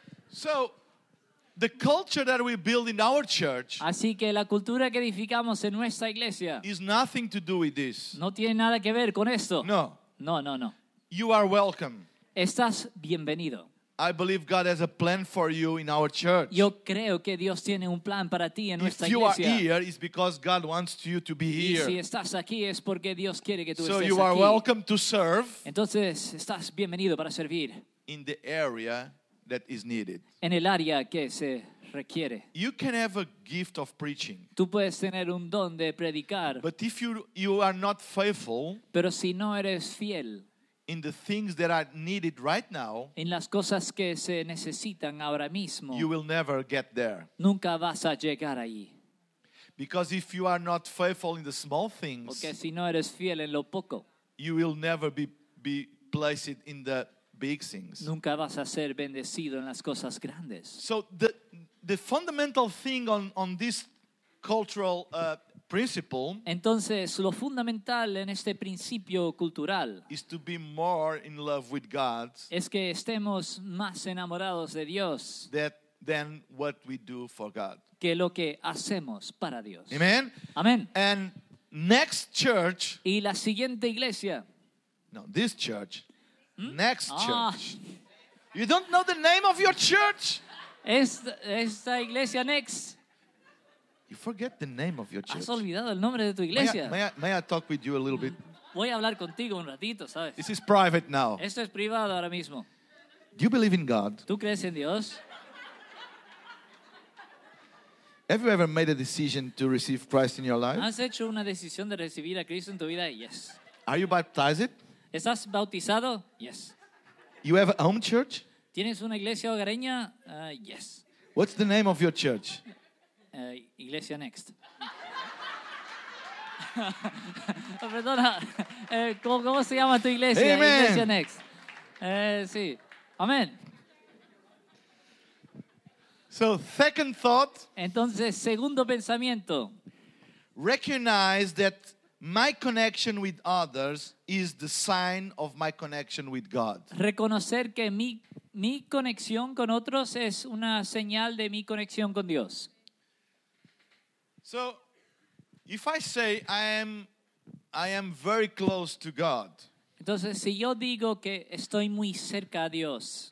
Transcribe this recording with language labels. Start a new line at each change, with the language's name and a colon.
English: So, the culture that we build in our church.
Spanish: Así que la cultura que edificamos en nuestra iglesia.
English: Is nothing to do with this.
Spanish: No tiene nada que ver con esto. No. No, no, no.
English: You are welcome.
Spanish: Estás bienvenido.
English: I believe God has a plan for you in our church.
Spanish: Yo creo que Dios tiene un plan para ti en nuestra iglesia.
English: If you are here, it's because God wants you to be here.
Spanish: Y si estás aquí es porque Dios quiere que tú estés aquí.
English: So you are welcome to serve.
Spanish: Entonces estás bienvenido para servir.
English: In the area that is needed.
Spanish: En el área que se requiere.
English: You can have a gift of preaching.
Spanish: Tú puedes tener un don de predicar.
English: But if you are not faithful.
Spanish: Pero si no eres fiel.
English: In the things that are needed right now,
Spanish: en las cosas que se necesitan ahora mismo,
English: you will never get there.
Spanish: Nunca vas a llegar allí.
English: Because if you are not faithful in the small things,
Spanish: porque si no eres fiel en lo poco,
English: you will never be placed in the big things.
Spanish: Nunca vas a ser bendecido en las cosas grandes.
English: So the fundamental thing on this cultural principle.
Spanish: Entonces, lo fundamental en este principio cultural
English: is to be more in love with God.
Spanish: Es que estemos más enamorados de Dios
English: than what we do for God.
Spanish: Que lo que hacemos para Dios.
English: Amen.
Spanish: Amen.
English: And next church.
Spanish: Y la siguiente iglesia.
English: No, this church. Hmm? Next church. You don't know the name of your church.
Spanish: Esta iglesia next.
English: You forget the name of your church.
Spanish: Has olvidado el nombre de tu iglesia.
English: May I talk with you a little bit?
Spanish: Voy a hablar contigo un ratito, ¿sabes?
English: This is private now.
Spanish: Esto es privado ahora mismo.
English: Do you believe in God?
Spanish: ¿Tú crees en Dios?
English: Have you ever made a decision to receive Christ in your life?
Spanish: ¿Has hecho una decisión de recibir a Cristo en tu vida?
English: Yes. Are you baptized?
Spanish: ¿Estás bautizado?
English: Yes. You have a home church?
Spanish: ¿Tienes una iglesia hogareña?
English: Yes. What's the name of your church?
Spanish: Iglesia Next. Perdona. ¿Cómo se llama tu iglesia? Amen. Iglesia Next. Sí. Amén.
English: So, second thought.
Spanish: Entonces, segundo pensamiento.
English: Recognize that my connection with others is the sign of my connection with God.
Spanish: Reconocer que mi conexión con otros es una señal de mi conexión con Dios.
English: So, if I say I am very close to God.
Spanish: Entonces, si yo digo que estoy muy cerca a Dios.